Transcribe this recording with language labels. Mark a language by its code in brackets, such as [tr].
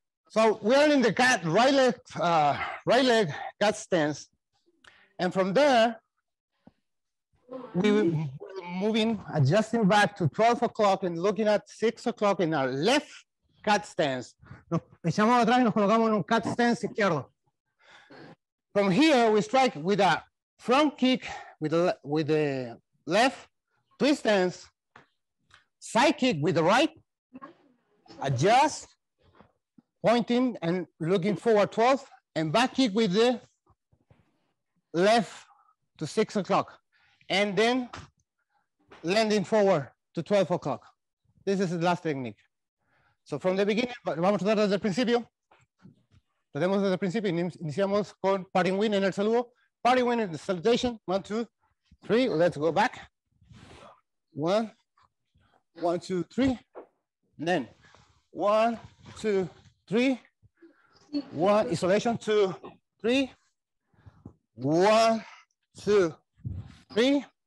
[en] So we are in the cat, right leg cat stance. And from there, we're moving, adjusting back to 12 o'clock and looking at 6 o'clock in our left cat stance. [es] Nos echamos atrás y nos colocamos en un cat stance izquierdo. [en] From here, we strike with a front kick with the left twist stance, side kick with the right, adjust, pointing and looking forward 12, and back kick with the left to 6 o'clock, and then landing forward to 12 o'clock. This is the last technique. So from the beginning, [es] vamos a tratar desde el principio. Tratemos desde el principio, iniciamos con parting wind en el saludo. [en] Parting wind in the salutation, 1, 2, 3, let's go back. 1, 2, 3, and then 1, 2, 3, 1, isolation, 2, 3, 1, 2, 3.